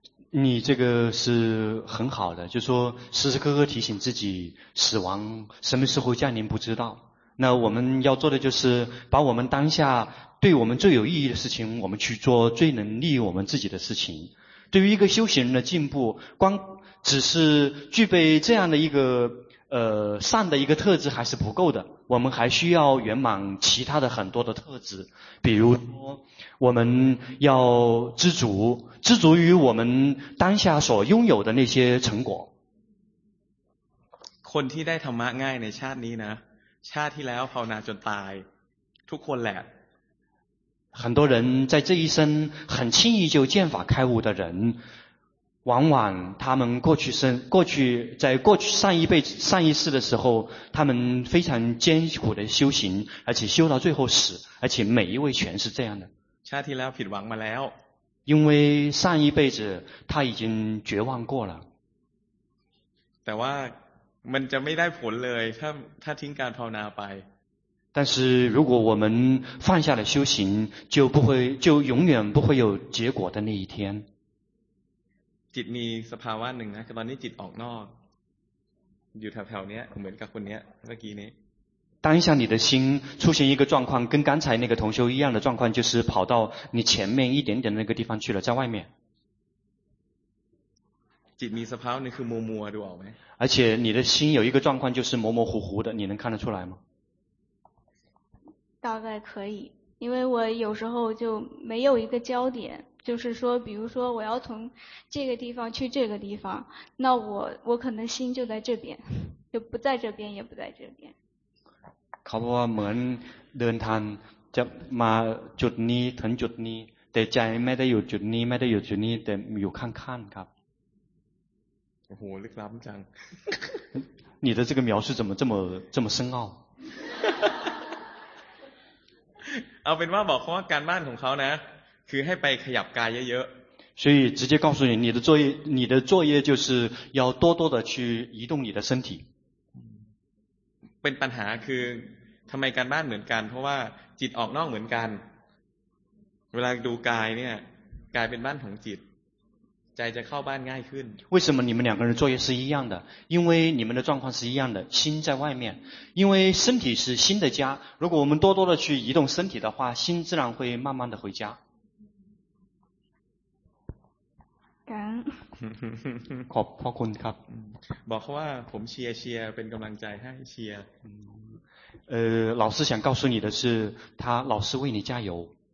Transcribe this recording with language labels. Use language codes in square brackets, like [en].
[zh] 你这个是很好的就是说时时刻刻提醒自己死亡什么时候降临不知道那我们要做的就是把我们当下对我们最有意义的事情我们去做最能利用我们自己的事情对于一个修行人的进步光只是具备这样的一个善的一个特质还是不够的我们还需要圆满其他的很多的特质比如说我们要知足知足于我们当下所拥有的那些成果 [th] คนที่ได้ธรรมะง่ายในชาตินี้นะชาติที่แล้วภาวนาจนตายทุกคนแหละ [zh] 很多人在这一生很轻易就见法开悟的人往往他们过去生过去在过去上一辈子上一世的时候他们非常艰苦的修行而且修到最后死而且每一位全是这样的 [th] ชาติที่แล้วผิดหวังมาแล้ว [zh] 因为上一辈子他已经绝望过了 [th] แต่ว่ามันจะไม่ได้ผลเลยถ้าทิ้งการภาวนาไป [zh] 但是如果我们放下了修行就不会就永远不会有结果的那一天 [th] จิตมีสภาวะหนึ่งนะคือตอนนี้จิตออกนอกอยู่แถวๆนี้เหมือนกับคนนี้เมื่อกี้นี้ [zh] 当下你的心出现一个状况跟刚才那个同修一样的状况就是跑到你前面一点点的那个地方去了在外面 [th] จิตมีสภาวะหนึ่งคือมัวมัวดูออกไหม [zh] 而且你的心有一个状况就是模模糊糊的你能看得出来吗大概可以因为我有时候就没有一个焦点就是说比如说我要从这个地方去这个地方那我可能心就在这边就不在这边也不在这边 [th] เขาบอกว่าเหมือนเดินทางจะมาจุดนี้ถึงจุดนี้แต่ใจไม่ได้อยู่จุดนี้ไม่ได้อยู่จุดนี้แต่อยู่ข้างๆครับ โอ้โหลึกล้ำจัง [zh] 你的这个描述怎么这么深奥 [th] เอาเป็นว่าบอกเขาว่าการบ้านของเขานะคือให้ไปขยับกายเยอะ [zh] ๆ所以直接告诉你你的作业就是要多多的去移动你的身体 [th] เป็นปัญหาคือทำไมการบ้านเหมือนกันเพราะว่าจิตออกนอกเหมือนกันเวลาดูกายเนี่ยกายเป็นบ้านของจิตใจจะเข้าบ้านง่ายขึ้น [zh] 为什么你们两个人作业是一样的因为你们的状况是一样的心在外面因为身体是心的家如果我们多多的去移动身体的话心自然会慢慢的回家感恩 [th] ขอบพระคุณครับ บอกว่าผมเชียร์เป็นกำลังใจให้เชียร์ [zh] 老师想告诉你的是他老师为你加油